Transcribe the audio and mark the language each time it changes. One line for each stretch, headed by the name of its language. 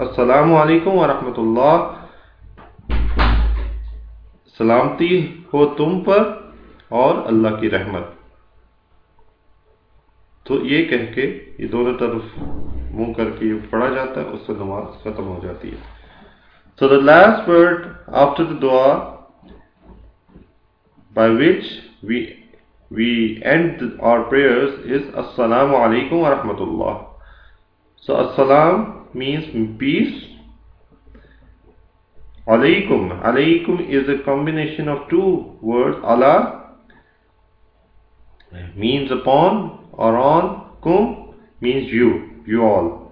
Arabic: السلام علیکم ورحمۃ اللہ,
Urdu: سلامتی ہو تم پر اور اللہ کی رحمت. تو یہ کہہ کے یہ دونوں طرف منہ کر کے یہ پڑھا جاتا ہے, اس سے نماز ختم ہو جاتی ہے.
English: so the last word after the دعا by which we end our prayers is
Arabic: السلام علیکم ورحمۃ اللہ.
English: So, السلام means peace. علیکم, علیکم is a combination of two words, ala means upon or on, kum means you, you all.